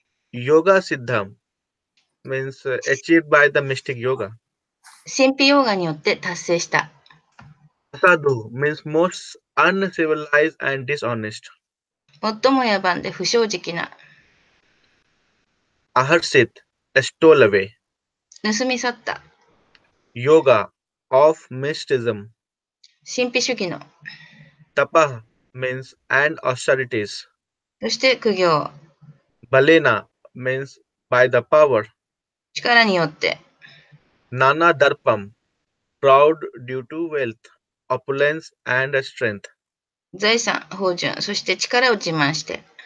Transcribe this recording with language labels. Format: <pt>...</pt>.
<en>Yoga siddham means achieved by the mystic yoga.</en> <ja>神秘ヨガによって達成した。</ja> <en>Asadhu means most uncivilized and dishonest.</en> <ja>最も野蛮で不正直な。</ja> <en>Aharsit, stole away.</en> <ja>盗み去った。</ja> <en>Yoga of mysticism.</en> <ja>神秘主義の。</ja> <en>Tapa means and austerities.</en> <ja>そして苦行。</ja> <en>Balena means by the power.</en> <ja>力によって。</ja> <en>Nana darpam, proud due to wealth, opulence and strength.</en> <ja>財産、豊潤、そして力を自慢して。</ja>